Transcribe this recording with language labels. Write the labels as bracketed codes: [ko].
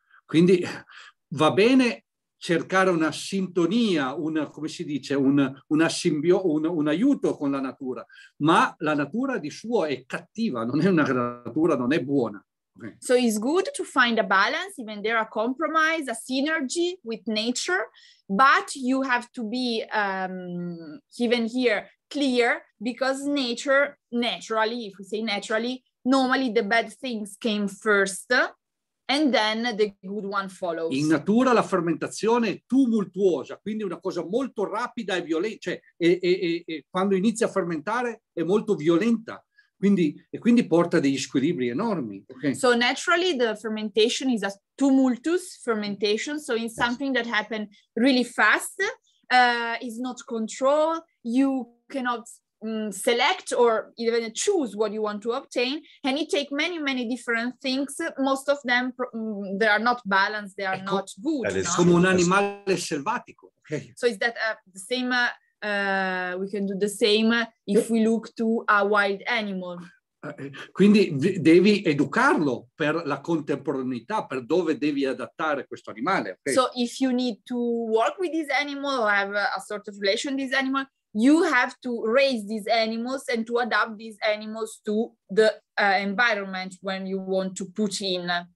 [it] Quindi va bene cercare una sintonia, una, come si dice, un aiuto con la natura, ma la natura di suo è cattiva, non è una natura, non è buona. [en] Okay. So it's good to find a balance, even there a compromise, a synergy with nature, but you have to be, even here, clear, because nature, naturally, if we say naturally, normally the bad things came first, and then the good one follows. [it] In natura la fermentazione è tumultuosa, quindi una cosa molto rapida e violenta, cioè e quando inizia a fermentare è molto violenta, quindi, e quindi porta degli squilibri enormi. [en] Okay. So naturally the fermentation is a tumultuous fermentation, so it's something that happens really fast, is not controlled, you cannot select or even choose what you want to obtain, and it take many, many different things. Most of them, they are not balanced, they are not good. [it] È come un animale selvatico. Okay. [en] So is that the same, we can do the same if we look to a wild animal. [it] Quindi devi educarlo per la contemporaneità, per dove devi adattare questo animale. [en] Okay. So if you need to work with this animal or have a sort of relation with this animal, you have to raise these animals and to adapt these animals to the environment when you want to put in.